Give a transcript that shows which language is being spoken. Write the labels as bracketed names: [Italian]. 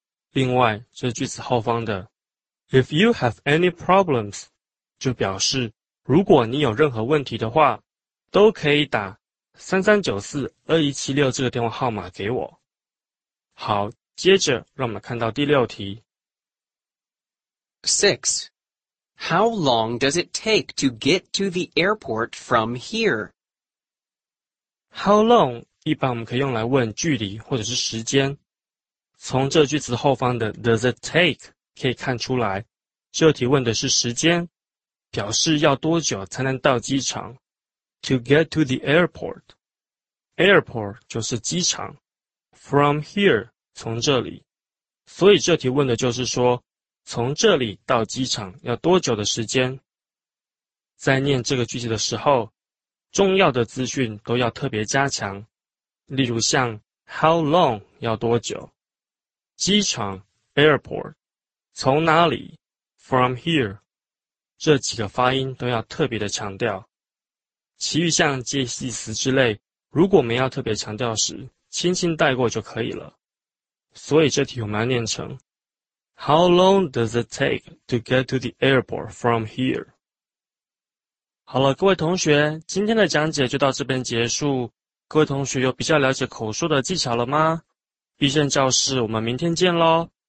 [Chinese] 另外，这句子后方的 [English] If you have any problems [Chinese] 就表示如果你有任何问题的话，都可以打3394-2176这个电话号码给我。好，接着让我们看到第六题。 6. [English] How long does it take to get to the airport from here? [Chinese] How long 一般我们可以用来问距离或者是时间。从这句子后方的 does it take 可以看出来，这题问的是时间，表示要多久才能到机场。 [English] To get to the airport, airport [Chinese] 就是机场。 From here 从这里，所以这题问的就是说，从这里到机场要多久的时间？在念这个句子的时候，重要的资讯都要特别加强，例如像 how long 要多久，机场 airport 从哪里 from here， 这几个发音都要特别的强调。其余像介系词之类，如果没要特别强调时，轻轻带过就可以了。所以这题我们要念成 [English] How long does it take to get to the airport from here? [Chinese] 好了，各位同学，今天的讲解就到这边结束。各位同学有比较了解口说的技巧了吗？必胜教室，我们明天见咯。